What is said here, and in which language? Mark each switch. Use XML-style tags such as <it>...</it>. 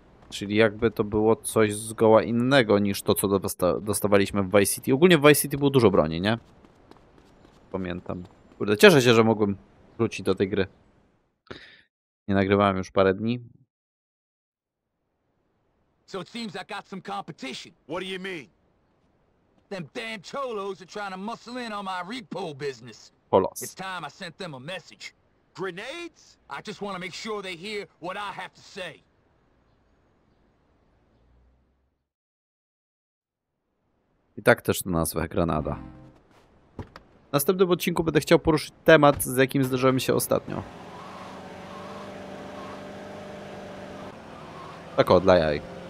<pl>Czyli jakby to było coś zgoła innego niż to, co dostawaliśmy w Vice City. Ogólnie w Vice City było dużo broni, nie? Pamiętam. Kurde, cieszę się, że mogłem wrócić do tej gry. Nie nagrywałem już parę dni.</pl> <en>So it seems I got some competition. What do you mean? Them damn cholos are trying to muscle in on my repo business. Polos. It's time I sent them a message. Grenades? I just want to make sure they hear what I have to say.</en> <pl>I tak też to nazwę, granada. W następnym odcinku będę chciał poruszyć temat, z jakim zderzyłem się ostatnio. Tak, dla jaj.</pl>